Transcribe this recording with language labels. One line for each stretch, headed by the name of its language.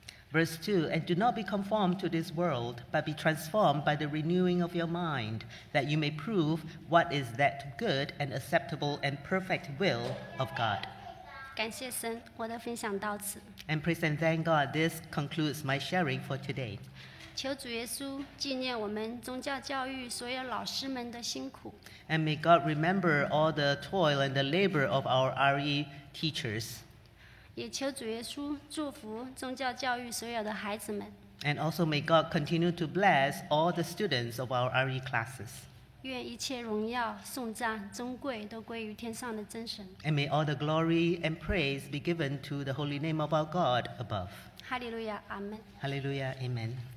English: Verse 2, and do not be conformed to this world, but be transformed by the renewing of your mind, that you may prove what is that good and acceptable and perfect will of God.
Chinese: 感谢神，我的分享到此。
English: And praise and thank God, this concludes my sharing for today.
Chinese: 求主耶稣纪念我们宗教教育所有老师们的辛苦。
English: And may God remember all the toil and the labor of our RE teachers.
Chinese: 也求主耶稣祝福宗教教育所有的孩子们。
English: And also may God continue to bless all the students of our RE classes.
Chinese: 愿一切荣耀、颂赞、尊贵都归于天上的真神。
English: And may all the glory and praise be given to the holy name of our God above. Hallelujah, Amen. Hallelujah, Amen.